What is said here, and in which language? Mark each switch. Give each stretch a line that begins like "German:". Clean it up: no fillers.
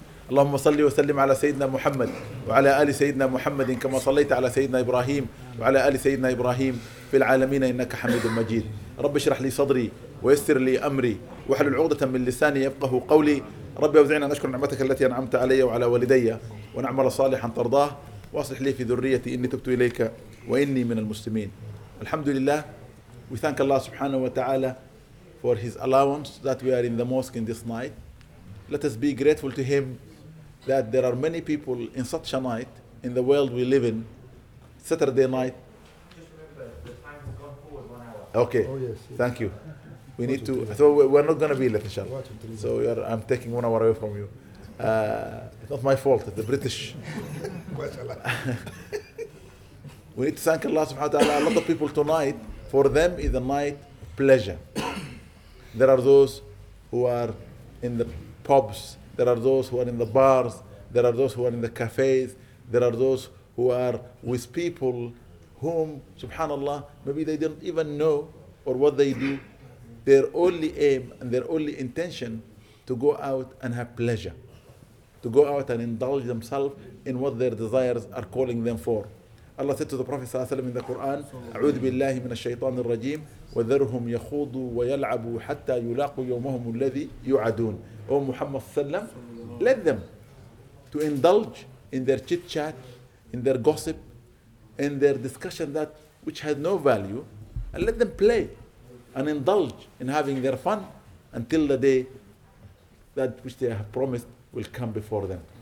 Arabic: اللهم صل وسلم على سيدنا محمد وعلى آل سيدنا محمد كما صليت على سيدنا إبراهيم وعلى آل سيدنا إبراهيم في العالمين إنك حميد مجيد. رب اشرح لي صدري ويسر لي أمري واحلل عقدة من لساني يفقهوا قولي. ربي أوزعني أن أشكر نعمتك التي أنعمت علي وعلى والدي ونعمل صالحا ترضاه واصلح لي في ذريتي إني تبت إليك وإني من المسلمين. الحمد لله.
English: We thank Allah
Arabic: سبحانه وتعالى
English: for his allowance that we are in the mosque in this night. Let us be grateful to him that there are many people in such a night in the world we live in. Saturday night. Just remember the time has gone forward 1 hour. Okay. Oh yes. Thank you. We need to, so we're not going to be late, inshallah. So I'm taking 1 hour away from you. It's not my fault, the British. We need to thank Allah subhanahu wa ta'ala. A lot of people tonight, for them is a night of pleasure. There are those who are in the pubs, there are those who are in the bars, there are those who are in the cafes, there are those who are with people whom, subhanAllah, maybe they don't even know or what they do. Their only aim and their only intention to go out and have pleasure, to go out and indulge themselves in what their desires are calling them for. Allah said to the Prophet ﷺ in the Quran,
Arabic: أعوذ بالله من الشيطان الرجيم وذرهم يخوضوا ويلعبوا حتى يلاقوا يومهم الذي يعدون.
English: O Muhammad sallam, let them to indulge in their chit chat, in their gossip, in their discussion that which has no value, and let them play and indulge in having their fun until the day that which they have promised will come before them.